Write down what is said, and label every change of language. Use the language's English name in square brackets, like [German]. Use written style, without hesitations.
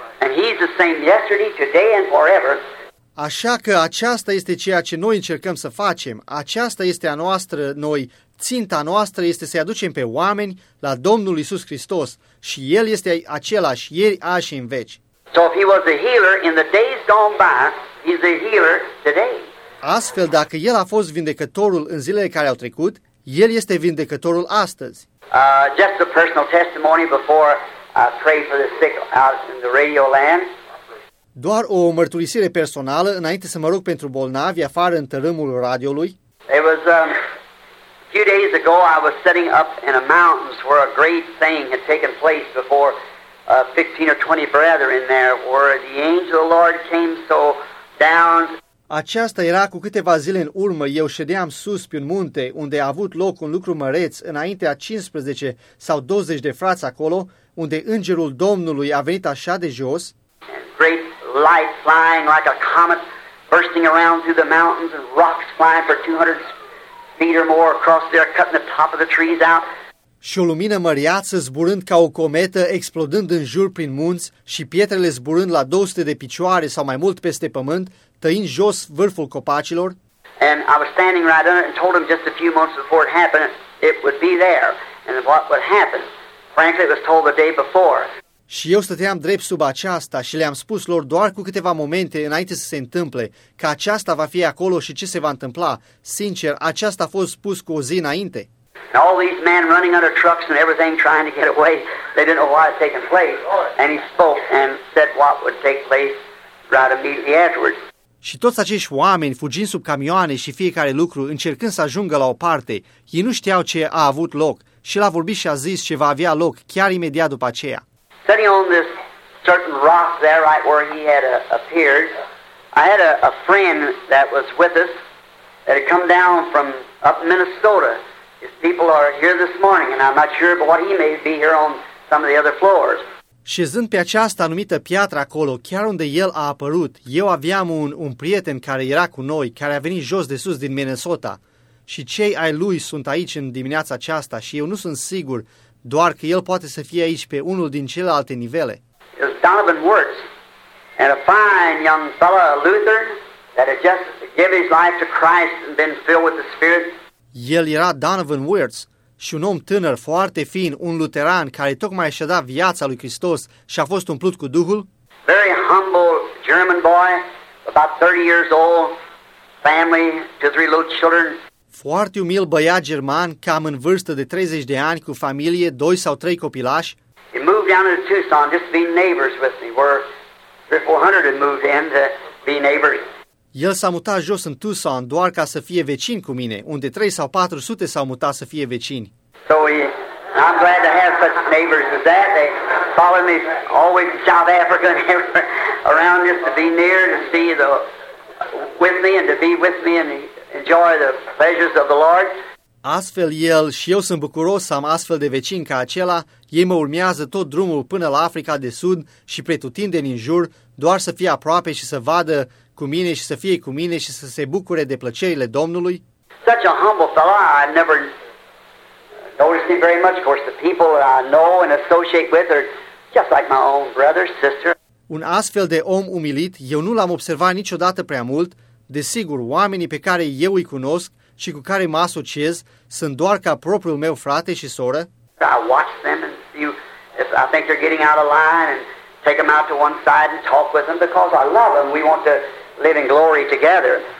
[English] And he's the same yesterday, today and forever. [Romanian] Așa că aceasta este ceea ce noi încercăm să facem. Aceasta este a noastră, noi, ținta noastră este să-i aducem pe oameni la Domnul Iisus Hristos și El este același ieri, azi și în veci. [English] So if he was a healer in the days gone by, he's a healer today. [Romanian] Astfel, dacă El a fost vindecătorul în zilele care au trecut, El este vindecătorul astăzi. [English] Just a personal testimony before I pray for the sick out in the radio land. [Romanian] Doar o mărturisire personală înainte să mă rog pentru bolnavi afară în tărâmul radioului. [English] It was a few days ago I was sitting up in a mountains where a great thing had taken place before 15 or 20 brethren there where the angel of the Lord came so down. [Romanian] Aceasta era cu câteva zile în urmă, eu ședeam sus pe un munte unde a avut loc un lucru măreț înaintea 15 sau 20 de frați acolo, unde îngerul Domnului a venit așa de jos. [English] Great light flying like a comet bursting around through the mountains and rocks flying for 200 feet or more across there cutting the top of the trees out. [Romanian] Și o lumină măriață zburând ca o cometă, explodând în jur prin munți și pietrele zburând la 200 de picioare sau mai mult peste pământ, tăind jos vârful copacilor. [English] And I was standing right under it and told him just a few months before it happened it would be there and what would happen. Frankly, it was told the day before. [Romanian] Și eu stăteam drept sub aceasta și le-am spus lor doar cu câteva momente înainte să se întâmple că aceasta va fi acolo și ce se va întâmpla. Sincer, aceasta a fost spus cu o zi înainte. [English] And all these men running under trucks and everything trying to get away, they didn't know what had taken place. And he spoke and said what would take place right immediately afterwards. [Romanian] Și toți acești oameni fugind sub camioane și fiecare lucru, încercând să ajungă la o parte, ei nu știau ce a avut loc. Și l-a vorbit și a zis ce va avea loc chiar imediat după aceea. [English] Sitting on this certain rock there right where he had appeared, I had a friend that was with us that had come down from up Minnesota. His people are here this morning and I'm not sure but what he may be here on some of the other floors. [Romanian] Șezând pe această anumită piatră acolo, chiar unde el a apărut, eu aveam un prieten care era cu noi, care a venit jos de sus din Minnesota. Și cei ai lui sunt aici în dimineața aceasta și eu nu sunt sigur, doar că el poate să fie aici pe unul din celelalte nivele. [English] It was Donovan Wirtz and a fine young fellow, a Lutheran, that had just given his life to Christ and been filled with the Spirit. [Romanian] El era Donovan Wirtz și un om tânăr, foarte fin, un luteran care tocmai și-a dat viața lui Hristos și a fost umplut cu Duhul. [English] Very humble German boy, about 30 years old, family, two, three little children. [Romanian] Foarte umil băiat german, cam în vârstă de 30 de ani, cu familie, doi sau trei copilași. [English] He moved down to Tucson just to be neighbors with me. We're 400 and moved in to be neighbors. [Romanian] El s-a mutat jos în Tucson doar ca să fie vecin cu mine, unde 3 sau 400 s-au mutat să fie vecini. [English] So I'm glad to have such neighbors as that. They follow me always to South Africa and around just to be near to see the with me and to be with me and enjoy the pleasures of the Lord. [Romanian] Astfel el și eu sunt bucuros să am astfel de vecin ca acela. Ei mă urmează tot drumul până la Africa de Sud și pretutindeni în jur, doar să fie aproape și să vadă cu mine și să fie cu mine și să se bucure de plăcerile Domnului. [English] Such a humble fellow, I never noticed him very much. Of course, the people that I know and associate with are just like my own brother, sister. [Romanian] Un astfel de om umilit, eu nu l-am observat niciodată prea mult. Desigur, oamenii pe care eu îi cunosc și cu care mă asociez sunt doar ca propriul meu frate și soră. [English] I watch them and see if I think they're getting out of line and take them out to one side and talk with them because I love them. We want to live in glory together.